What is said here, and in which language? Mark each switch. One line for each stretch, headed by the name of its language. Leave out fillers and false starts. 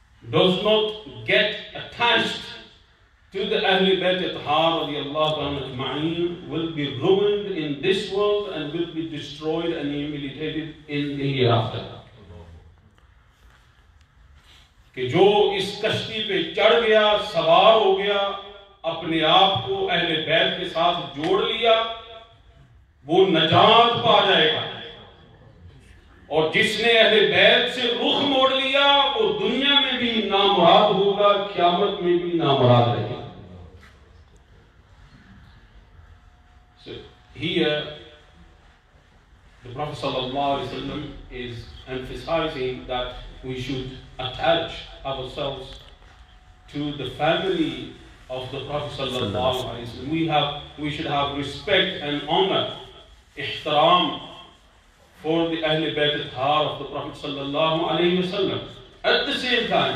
English: does not get attached to the Ahlul Bayt Athar
Arabic: radiallahu anhu ajma'in
English: will be ruined in this world and will be destroyed and humiliated in the hereafter.
Urdu: کہ جو اس کشتی پہ چڑھ گیا، سوار ہو گیا، اپنے آپ کو اہل بیت کے ساتھ جوڑ لیا، وہ نجات پا جائے گا، اور جس نے اہل بیت سے رخ موڑ لیا وہ دنیا میں بھی نامراد ہوگا، قیامت میں بھی نامراد رہے گا۔
English: So, here the Prophet
Arabic: صلی اللہ علیہ وسلم
English: is emphasizing that we should attach ourselves to the family of the Prophet
Arabic: sallallahu alaihi wasallam.
English: We should have respect and honor, ihtiram, for the Ahl Bayt Athar of the Prophet
Arabic: sallallahu alaihi wasallam.